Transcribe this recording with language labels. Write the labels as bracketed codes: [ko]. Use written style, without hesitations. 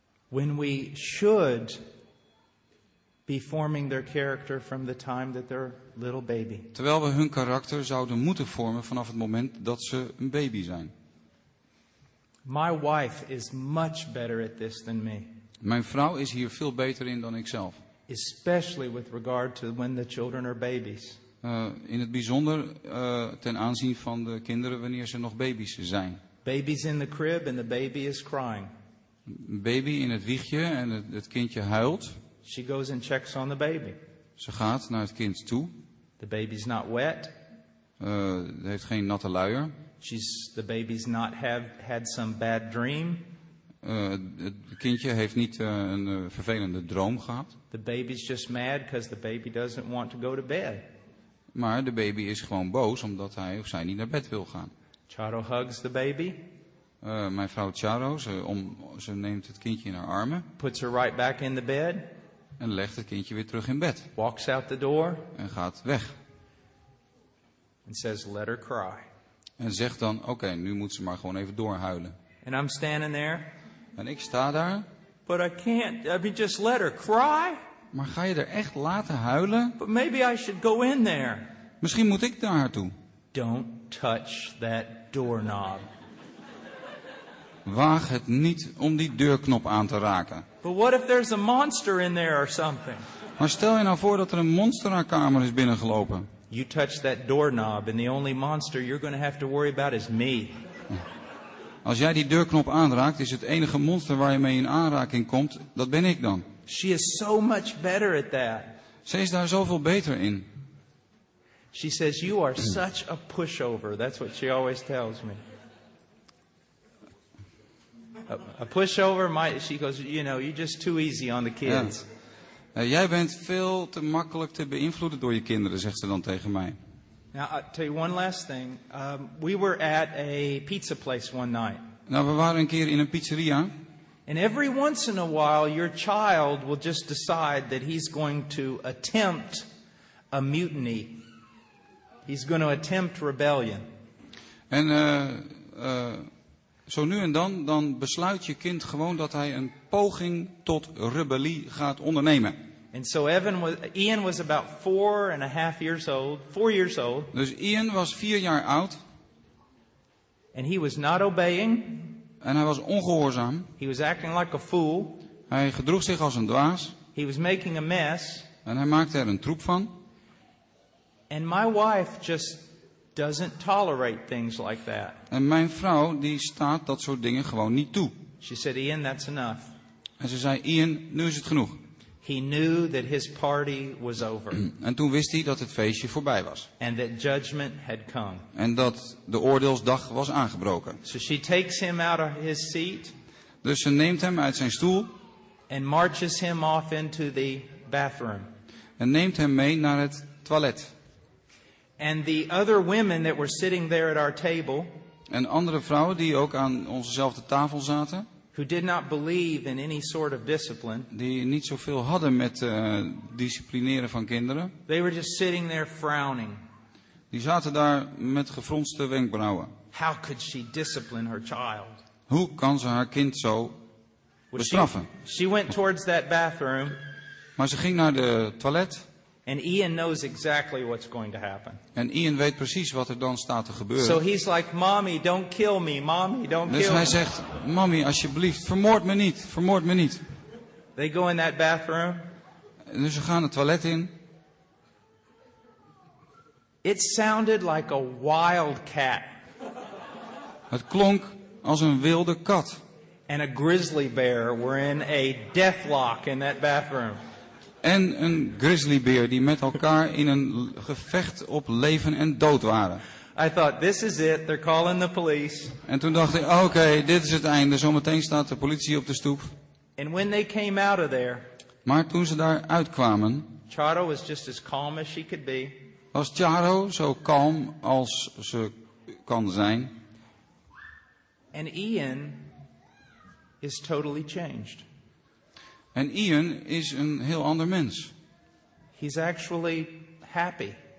[en] When we should be forming their character from the time that they're little baby. [nl] Terwijl we hun karakter zouden moeten vormen vanaf het moment dat ze een baby zijn. [en] My wife is much better at this than me. [nl] Mijn vrouw is hier veel beter in dan ikzelf. [en] Especially with regard to when the children are babies. [nl] In het bijzonder ten aanzien van de kinderen wanneer ze nog baby's zijn. [en] Babies in the crib and the baby is crying. [nl] Baby in het wiegje en het kindje huilt. [en] She goes and checks on the baby. [nl] Ze gaat naar het kind toe. [en] The baby's not wet. [nl] Heeft geen natte luier. [en] The baby's not had some bad dream. [nl] Het kindje heeft niet een vervelende droom gehad. [en] The baby's just mad because the baby doesn't want to go to bed. [nl] Maar de baby is gewoon boos omdat hij of zij niet naar bed wil gaan. [en] Charo hugs the baby. [nl] Mijn vrouw Charo, ze neemt het kindje in haar armen. [en] Puts her right back in the bed. [nl] En legt het kindje weer terug in bed. [en] Walks out the door. [nl] En gaat weg. [en] And says, let her cry. [nl] En zegt dan, oké, nu moet ze maar gewoon even doorhuilen. [en] And I'm standing there. [nl] En ik sta daar. [en] But I can't. I mean, just let her cry. [nl] Maar ga je er echt laten huilen? [en] But maybe I should go in there. [nl] Misschien moet ik naar haar toe. [en] Don't touch that doorknob. [nl] Waag het niet om die deurknop aan te raken. [en] But what if there's a monster in there or something? [nl] Maar stel je nou voor dat er een monster naar kamer is binnengelopen. [en] You touch that doorknob and the only monster you're going to have to worry about is me. [nl] Als jij die deurknop aanraakt, is het enige monster waar je mee in aanraking komt, dat ben ik dan. [en] She is so much better at that. [nl] Ze is daar zoveel beter in. [en] She says you are such a pushover. That's what she always tells me. A pushover, she goes, you know, you're just too easy on the kids. [nl] Ja. Jij bent veel te makkelijk te beïnvloeden door je kinderen, zegt ze dan tegen mij. [en] Now, I'll tell you one last thing. We were at a pizza place one night. [nl] Nou, we waren een keer in een pizzeria. [en] And every once in a while, your child will just decide that he's going to attempt a mutiny. He's going to attempt rebellion. [nl] En Zo nu en dan, dan besluit je kind gewoon dat hij een poging tot rebellie gaat ondernemen. [en] And so Evan was, Ian was about 4.5 years old, 4 years old. [nl] Dus Ian was 4 jaar oud. [en] And he was not obeying. [nl] En hij was ongehoorzaam. [en] He was acting like a fool. [nl] Hij gedroeg zich als een dwaas. [en] He was making a mess. [nl] En hij maakte er een troep van. [en] And my wife just doesn't tolerate things like that. [nl] En mijn vrouw die staat dat soort dingen gewoon niet toe. [en] She said, Ian, that's enough. [nl] En ze zei, Ian, nu is het genoeg. [en] He knew that his party was over. [nl] En toen wist hij dat het feestje voorbij was. [en] And that judgment had come. [nl] En dat de oordeelsdag was aangebroken. [en] So she takes him out of his seat. [nl] Dus ze neemt hem uit zijn stoel. [en] And marches him off into the bathroom. [nl] En neemt hem mee naar het toilet. [en] And the other women that were sitting there at our table. [nl] En andere vrouwen die ook aan onzezelfde tafel zaten. [en] Who did not believe in any sort of discipline. [nl] Die niet zoveel hadden met disciplineren van kinderen. [en] They were just sitting there frowning. [nl] Die zaten daar met gefronste wenkbrauwen. [en] How could she discipline her child? [nl] Hoe kan ze haar kind zo bestraffen? [en] She went towards that bathroom. [nl] Maar ze ging naar de toilet. [en] And Ian knows exactly what's going to happen. [nl] En Ian weet precies wat er dan staat te gebeuren. [en] So he's like, "Mommy, don't kill me. Mommy, don't kill me." [nl] Dus hij zegt: "Mommy, alsjeblieft, vermoord me niet. Vermoord me niet." [en] They go in that bathroom. [nl] En dus ze gaan het toilet in. [en] It sounded like a wild cat. [nl] Het klonk als een wilde kat. [en] And a grizzly bear were in a deathlock in that bathroom. [nl] En een grizzlybeer die met elkaar in een gevecht op leven en dood waren. [en] I thought, this is it. They're calling the police. [nl] En toen dacht ik, oké, dit is het einde. Zometeen staat de politie op de stoep. [en] And when they came out of there, [nl] maar toen ze daar uitkwamen, [en] Charo was just as calm as she could be. [nl] Was Charo zo kalm als ze kan zijn. [en] And Ian is totally changed. [nl] En Ian is een heel ander mens. [en] He's actually happy.